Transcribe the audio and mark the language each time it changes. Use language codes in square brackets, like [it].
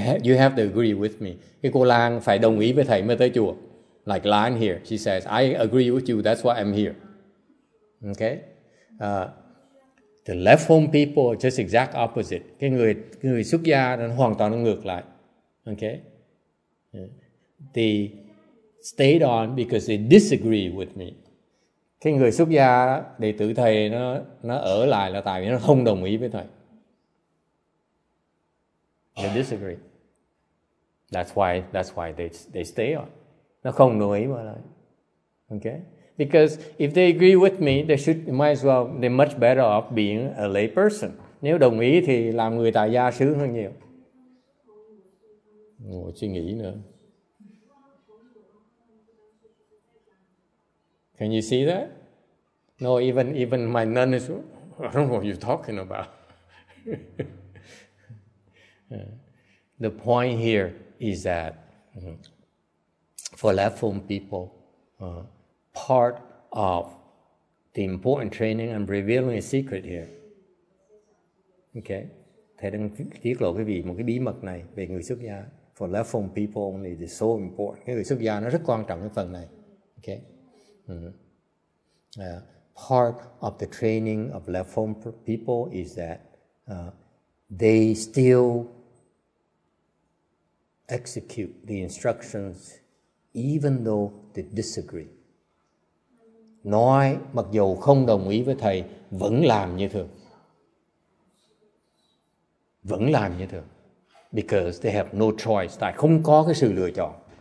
[en] You have to agree with me. [vi] Cái cô Lan phải đồng ý với thầy mới tới chùa. [en] Like Lan here, she says, I agree with you, that's why I'm here. Okay? The left home people are just exact opposite. [vi] Cái người xuất gia nó hoàn toàn nó ngược lại. [en] Okay? They stayed on because they disagree with me. [vi] Cái người xuất gia đệ tử thầy nó ở lại là tại vì nó không đồng ý với thầy. [en] They disagree. That's why they stay on. [vi] Nó không đồng ý mà lại. [en] Okay? Because if they agree with me, they're much better off being a lay person. [vi] Nếu đồng ý thì làm người tại gia sướng hơn nhiều. Ngồi suy nghĩ nữa. [en] Can you see that? No, even my nun is, I don't know what you're talking about. The point here is that for left-home people, part of the important training, I'm revealing a secret here. Okay? [vi] Thầy đang tiết lộ cái gì, một cái bí mật này về người xuất gia. [en] For left home people only, it's so important. [vi] Cái người xuất gia nó rất quan trọng cái phần này. [en] Okay? Part of the training of left home people is that they still execute the instructions even though they disagree. [vi] Nói mặc dù không đồng ý với thầy vẫn làm như thường. Vẫn làm như thường. [en] Because they have no choice. [vi] Tại không có cái sự lựa chọn.